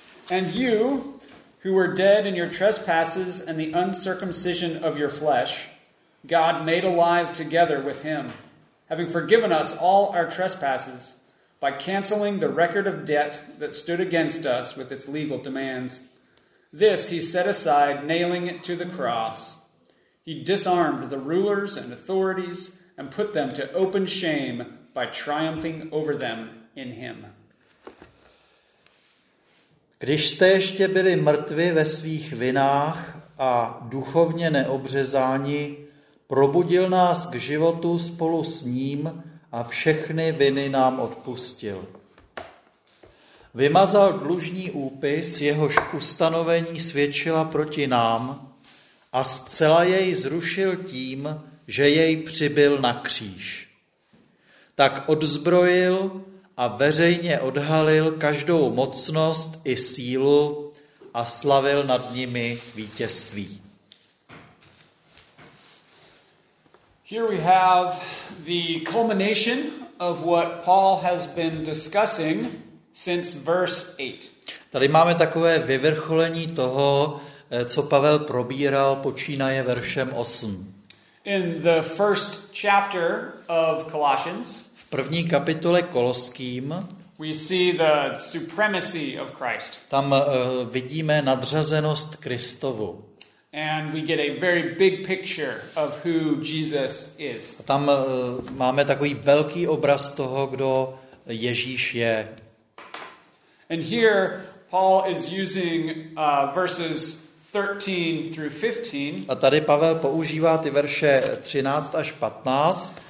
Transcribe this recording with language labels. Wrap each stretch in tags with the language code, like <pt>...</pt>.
<en>And you, who were dead in your trespasses and the uncircumcision of your flesh, God made alive together with him, having forgiven us all our trespasses, by canceling the record of debt that stood against us with its legal demands. This he set aside, nailing it to the cross. He disarmed the rulers and authorities and put them to open shame by triumphing over them in him.</en> <cs>Když jste ještě byli mrtvi ve svých vinách a duchovně neobřezáni, probudil nás k životu spolu s ním a všechny viny nám odpustil. Vymazal dlužní úpis, jehož ustanovení svědčila proti nám, a zcela jej zrušil tím, že jej přibil na kříž. Tak odzbrojil a veřejně odhalil každou mocnost i sílu a slavil nad nimi vítězství.</cs> <en>Here we have the culmination of what Paul has been discussing since verse 8.</en> <cs>Tady máme takové vyvrcholení toho, co Pavel probíral, počínaje veršem 8.</cs> <en>In the first chapter of Colossians,</en> <cs>v první kapitole Koloským,</cs> <en>we see the supremacy of Christ.</en> <cs>Tam vidíme nadřazenost Kristovu.</cs> <en>And we get a very big picture of who Jesus is.</en> <cs>Tam máme takový velký obraz toho, kdo Ježíš je.</cs> <en>And here Paul is using verses 13 through 15.</en> <cs>A tady Pavel používá ty verše 13 až 15</cs>